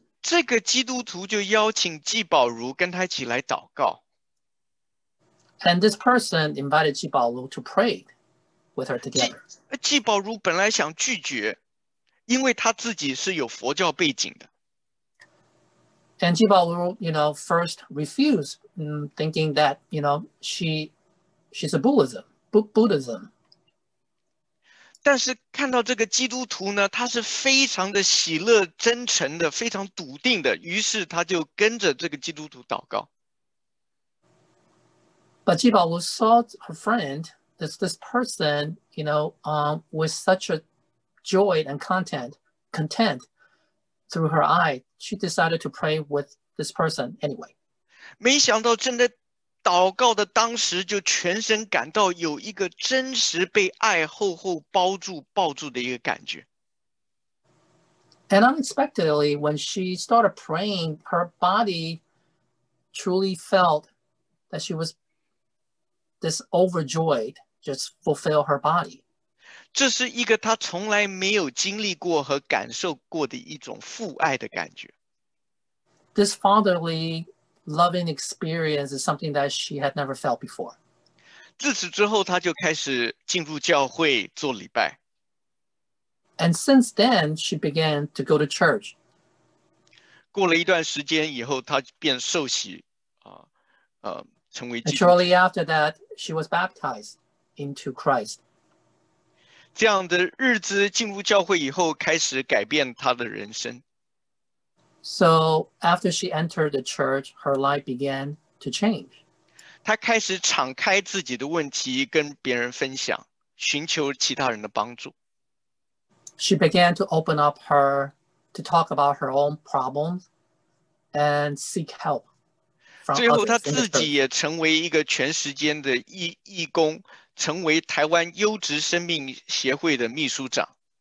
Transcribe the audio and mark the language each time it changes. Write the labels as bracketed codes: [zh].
[zh] 这个基督徒就邀请纪宝如跟他一起来祷告。 [en] And this person invited 纪宝如 to pray with her together. [zh] 纪宝如本来想拒绝，因为他自己是有佛教背景的。 [en] And 纪宝如, you know, first refused, thinking that, you know, she's a Buddhism. [zh] 但是看到这个基督徒呢，他是非常的喜乐、真诚的，非常笃定的，于是他就跟着这个基督徒祷告。 [en] But 纪宝如 saw her friend, this person, you know, with such a joy and content through her eye, she decided to pray with this person anyway. [zh] 没想到真的祷告的当时就全身感到有一个真实被爱厚厚包住、抱住的一个感觉。 [en] And unexpectedly, when she started praying, her body truly felt that she was this overjoyed, just fulfill her body. [zh] 这是一个她从来没有经历过和感受过的一种父爱的感觉。 [en] This fatherly loving experience is something that she had never felt before. [zh] 自此之后，她就开始进入教会做礼拜。 [en] And since then, she began to go to church. [zh] 过了一段时间以后，她便受洗，成为基督徒。 [en] And shortly after that, she was baptized into Christ. [zh] 这样的日子进入教会以后，开始改变她的人生。 [en] So after she entered the church, her life began to change. [zh] 她开始敞开自己的问题跟别人分享，寻求其他人的帮助。 [en] She began to open up her, to talk about her own problems and seek help. [zh] 最后她自己也成为一个全时间的义工，成为台湾优质生命协会的秘书长。